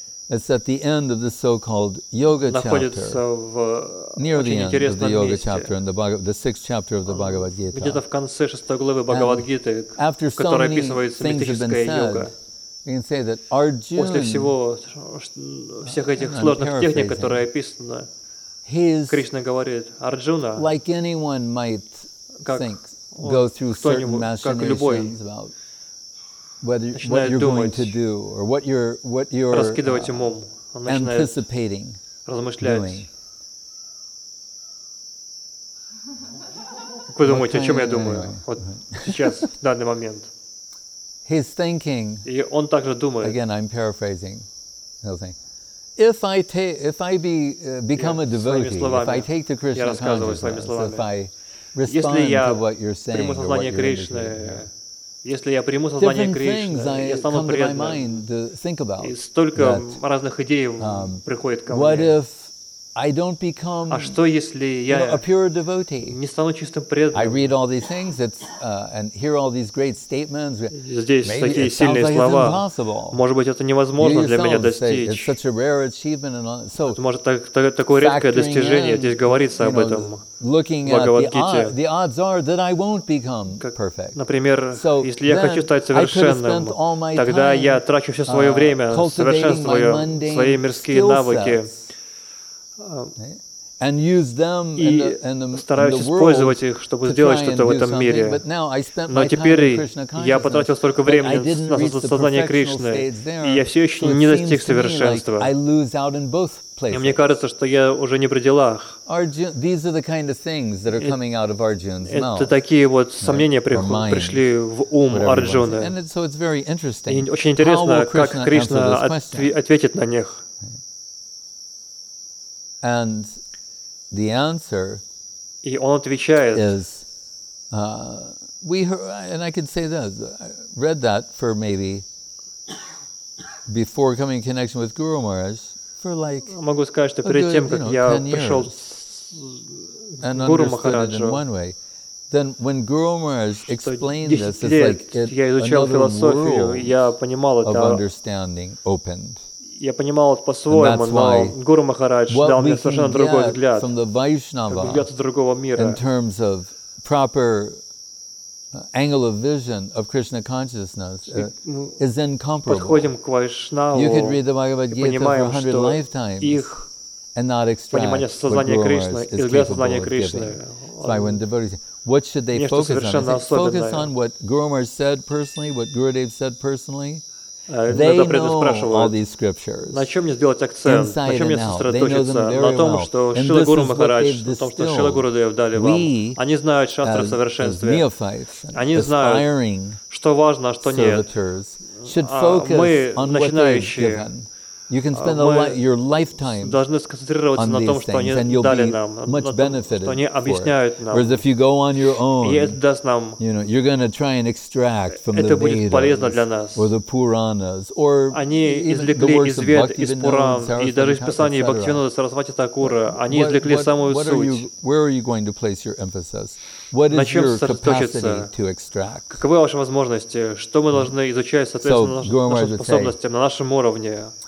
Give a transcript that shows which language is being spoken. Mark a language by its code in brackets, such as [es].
[en] It's at the end of the so-called yoga chapter. Near the end of the yoga chapter in the sixth chapter of the Bhagavad Gita. [ru] Где-то в конце шестой главы Бхагавад Гиты, [en] after so many things have been said, you can say that Arjuna. [ru] После всего всех этих сложных техник, которые описаны, Кришна говорит, Арджуна. [en] Like anyone might think, go through certain machinations about what you're going to do or what you're anticipating doing. [ru] Как вы думаете, о чем я думаю? Вот сейчас, в данный момент. [en] He's thinking. [ru] И он также думает. [en] Again, I'm paraphrasing. He'll think, if I become a devotee, if I take the Krishna consciousness, if I respond to what you're saying or what you're indicating. [ru] Если я приму сознание Кришны, я стану преданным. И столько разных идей приходит ко мне. А что, если я не стану чистым преданным? Здесь такие сильные слова. Может быть, это невозможно для меня достичь. Это может такое редкое достижение. Здесь говорится об этом. [en] Looking at the odds are that I won't become perfect. [ru] Например, если я хочу стать совершенным, тогда я трачу все свое время, совершенствую свои мирские навыки и стараюсь использовать их, чтобы сделать что-то в этом мире. Но теперь я потратил столько времени на сознание Кришны, и я все еще не достиг совершенства. И мне кажется, что я уже не при делах. Это такие вот сомнения пришли в ум Арджуны. И очень интересно, как Кришна ответит на них. [en] The answer [ru] и он отвечает, [en] is, we heard, and I can say this, I read that for maybe before coming in connection with Guru Maharaj for like [ru] могу сказать, что перед тем, как я пришел [en] and understood it in one way. Then when Guru Maharaj explained this, it's like [ru] я изучал философию, я понимал это, [en] of understanding opened. [ru] я понимал это по-своему, но Гуру Махарадж дал мне совершенно другой взгляд, [en] from the Vaishnava, [ru] взгляд из другого мира. [en] In terms of proper angle of vision of Krishna consciousness is incomparable. You could read the Bhagavad Gita for 100 lifetimes and not extract what Guru Maharaj is capable of giving. That's why when devotees, what should they focus on? They focus on what Guru Maharaj said personally, what Gurudev said personally. They know all these scriptures. [ru] На чем мне сделать акцент? На чем мне сосредоточиться? На том, что Шрила Гуру Махарадж, на том, что Шрила Гурудев дали вам. Они знают шастры совершенствия. Они знают, что важно, а что нет. Мы, начинающие, мы должны сконцентрироваться на том, что они дали нам, на том, что они объясняют нам. [en] Whereas if you go on your own, you know, you're going to try and extract from the Vedas or the Puranas or even the works of Bhakti Vinoda, [ru] и даже из писаний Бхакти Винода Сарасвати Такура, они извлекли самую суть. [en] Where are you going to place your emphasis? What is your capacity to extract? [ru] Каковы ваши возможности? Что мы должны изучать соответственно нашим способностям на нашем уровне?